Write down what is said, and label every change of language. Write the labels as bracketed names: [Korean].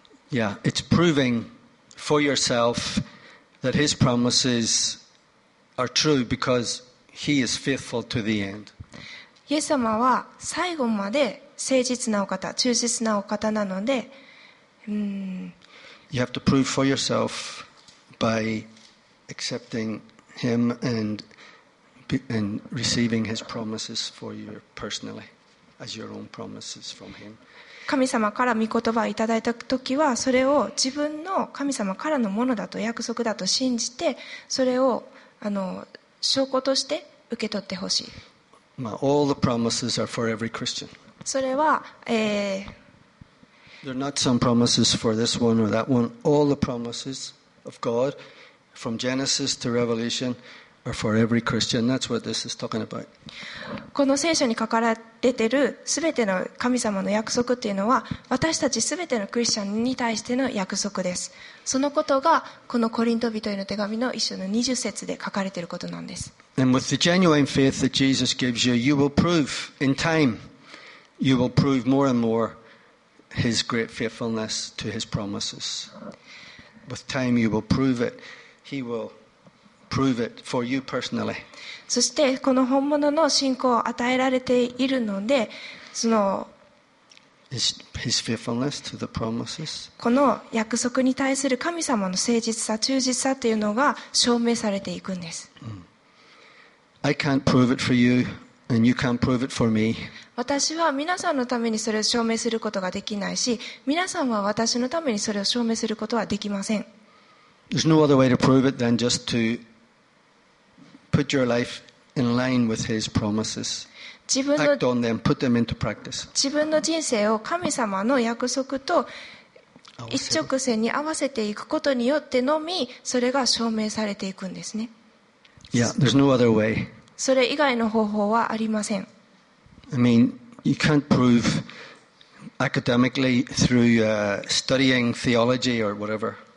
[English] Yeah, it's proving for yourself that his promises are true because he is faithful to the end. [Japanese] イエス様は最後まで誠実なお方、忠実なお方なので、 [English] You have to prove for yourself by accepting him and receiving his promises for you personally as your own promises from him. [Japanese] 神様から御言葉をいただいたときは、それを自分の神様からのものだと約束だと信じて、それを証拠として受け取ってほしい。 [English] All the promises are for every Christian. [Japanese] それは、 [English] There are not some promises for this one or that one. All the promises of God, from Genesis to Revelation, are for every Christian. That's what this is talking about. [Japanese] この聖書に書かれているすべての神様の約束というのは、私たちすべてのクリスチャンに対しての約束です。そのことが、このコリント人への手紙の一章の20節で書かれていることなんです。 [English] And with the genuine faith that Jesus gives you, you will prove in time, you will prove more and more his great faithfulness to his promises. With time, you will prove it. He will prove it for you personally. [Japanese] そしてこの本物の信仰を与えられているので、その [English] His faithfulness to the promises. [Japanese] この約束に対する神様の誠実さ、忠実さというのが証明されていくんです。 [English] I can't prove it for you, and you can't prove it for me. [Japanese] 私は皆さんのためにそれを証明することができないし、皆さんは私のためにそれを証明することはできません。 [English] There's no other way to prove it than just to put your life in line with His promises. [Japanese] 自分の [English] Act on them, put them into practice. [Japanese] 自分の人生を神様の約束と一直線に合わせていくことによってのみ、それが証明されていくんですね。 [English] Yeah, there's no other way. [Japanese] それ以外の方法はありません。 [English] I mean, you can't prove academically through studying theology or whatever.